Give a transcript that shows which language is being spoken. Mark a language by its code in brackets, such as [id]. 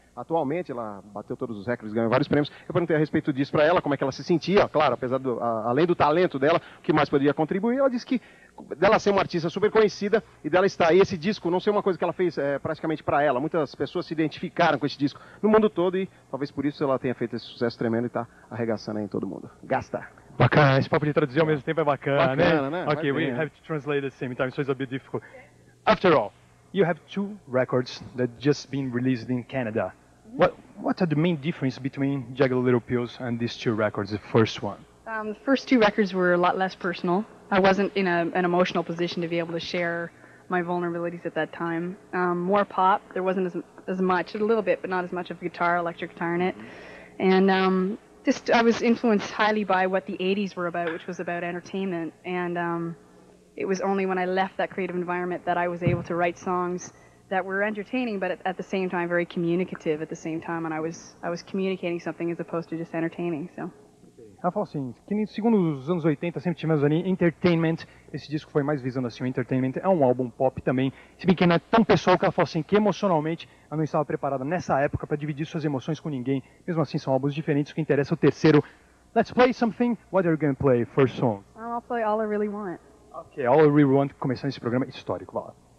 [pt] Atualmente, ela bateu todos os recordes, ganhou vários prêmios. Eu perguntei a respeito disso para ela, como é que ela se sentia, claro, apesar além do talento dela, o que mais poderia contribuir. Ela disse que, dela ser uma artista super conhecida e dela estar aí, esse disco não ser uma coisa que ela fez praticamente para ela. Muitas pessoas se identificaram com esse disco no mundo todo e talvez por isso ela tenha feito esse sucesso tremendo e está arregaçando aí em todo mundo. Gasta! Bacana, esse papo de traduzir ao mesmo tempo é bacana, bacana né? [en] Ok, we have to translate at the same time, so it's a bit difficult. After all, you have 2 records that just been released in Canada. What are the main difference between Jagged Little Pills and these 2 records, the first one? The first 2 records were a lot less personal. I wasn't in an emotional position to be able to share my vulnerabilities at that time. More pop, there wasn't as much, a little bit, but not as much of guitar, electric guitar in it. And just I was influenced highly by what the 80s were about, which was about entertainment. And it was only when I left that creative environment that I was able to write songs that were entertaining, but at the same time, very communicative at the same time, and I was communicating something as opposed to just entertaining, so. [pt] Ela falou assim, que segundo os anos 80, sempre tivemos ali entertainment, esse disco foi mais visando assim, o entertainment é um álbum pop também, se bem que não é tão pessoal, que ela falou assim, que emocionalmente ela não estava preparada nessa época para dividir suas emoções com ninguém, mesmo assim são álbuns diferentes, o que interessa é o terceiro. [en] Let's play something, what are you going to play, first song? I'll play All I Really Want. [pt] Okay, All I Really Want, começando esse programa histórico, vai lá.